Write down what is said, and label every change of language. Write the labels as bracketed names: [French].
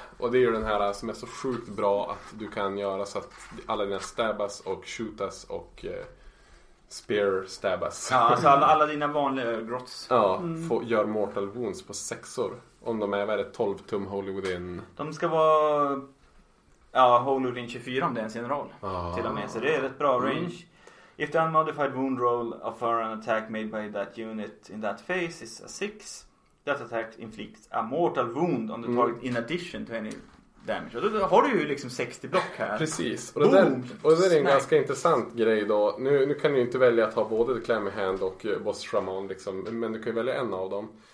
[Swedish] Och det är ju den här som är så sjukt bra att du kan göra så att alla dina stabbas och shootas och spear stabbas. Ja, alltså alla dina vanliga grots. Ja, gör mortal wounds på sexor. Om de är värre 12 tum Holy Within. De ska vara Holy Within 24 om det är en general. Ah. Till och med, så det är rätt bra range. [English] If the unmodified wound roll of an attack made by that unit in that phase is a 6, that attack inflicts a mortal wound on the target in addition to any damage. [Swedish] Och då har du ju liksom 60 block här. Precis. Och det, där, och det är en ganska intressant grej då. Nu kan du ju inte välja att ha både The Clammy Hand och Boss Shaman liksom, men du kan ju välja en av dem.